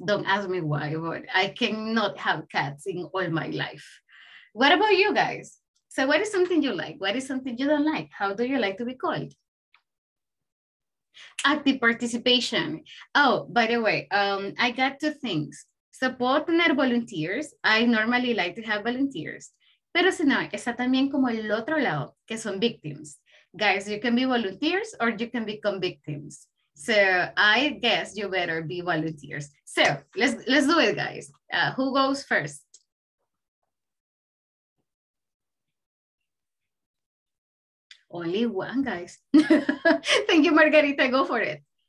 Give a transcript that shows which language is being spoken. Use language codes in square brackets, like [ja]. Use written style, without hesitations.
[en] Don't ask me why, but I cannot have cats in all my life. What about you guys? So what is something you like? What is something you don't like? How do you like to be called? Active participation. Oh, by the way, I got two things. So [es] puedo tener [en] volunteers. I normally like to have volunteers. [es] Pero si no, está también como el otro lado, que son victims. [en] Guys, you can be volunteers or you can become victims. So I guess you better be volunteers. So let's do it, guys. Who goes first? Only one, guys. Thank you, Margarita. Go for it.